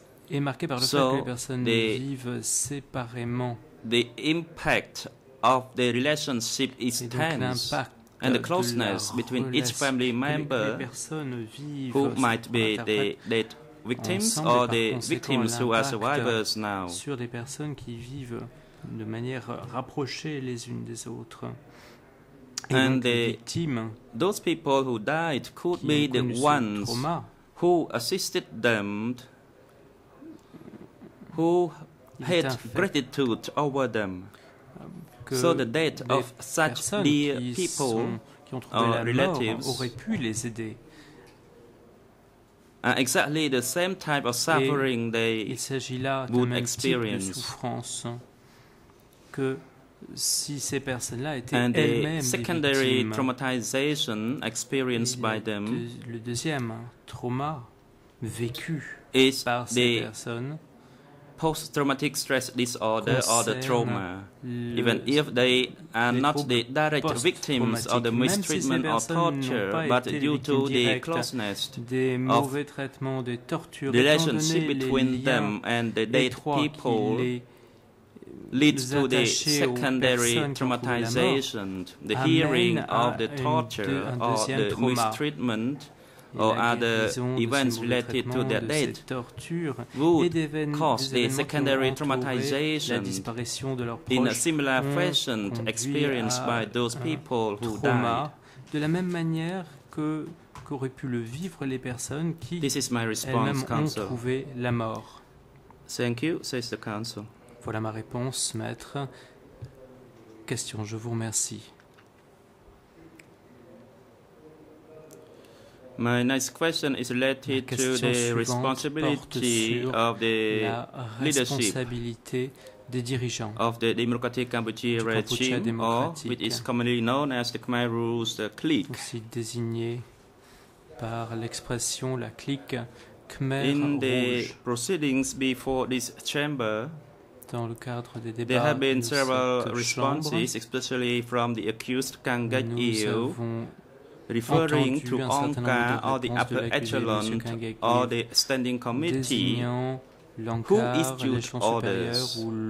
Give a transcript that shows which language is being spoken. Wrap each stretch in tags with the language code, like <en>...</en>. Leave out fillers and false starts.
<fr>Est marqué par le fait que les personnes vivent séparément.</fr> <en>The impact of the relationship is tense, and the closeness between each family member who might be the victims or the victims who are survivors now.</en> <fr>Sur des personnes qui vivent de manière rapprochée les unes des autres.</fr> <en>And the victims, those people who died could be the ones who assisted them, who had gratitude over them. So the death of such dear people or relatives</en> <fr>aurait pu les aider.</fr> <en>Exactly the same type of suffering they would experience.</en> <fr>De souffrance que si ces personnes-là étaient elles-mêmes victimes.</fr> <en>And the secondary traumatization experienced by them,</en> <fr>le deuxième trauma vécu par ces personnes,</fr> <en>post-traumatic stress disorder or the trauma, even if they are not the direct victims of the mistreatment or torture, but due to the closeness of the relationship between them and the dead people leads to the secondary traumatization, the hearing of the torture or the mistreatment or other events related to their death would cause the secondary traumatization in a similar fashion experienced by those people who died.</en> <fr>De la même manière que qu'auraient pu le vivre les personnes qui elles-mêmes ont trouvé la mort.</fr> <en>Thank you, says the counsel.</en> <fr>Voilà ma réponse, maître. Question, je vous remercie.</fr> <en>My next question is related to the responsibility of the leadership of the Democratic Cambodia regime, or which is commonly known as the Khmer Rouge, the clique.</en> <fr>Aussi désigné par l'expression la clique Khmer Rouge.</fr> <en>In the proceedings before this chamber,</en> <fr>dans le cadre des débats,</fr> <en>there have been several responses, especially from the accused Kangat Yew, referring to Onka or the upper echelon or the standing committee, who issued orders.</en>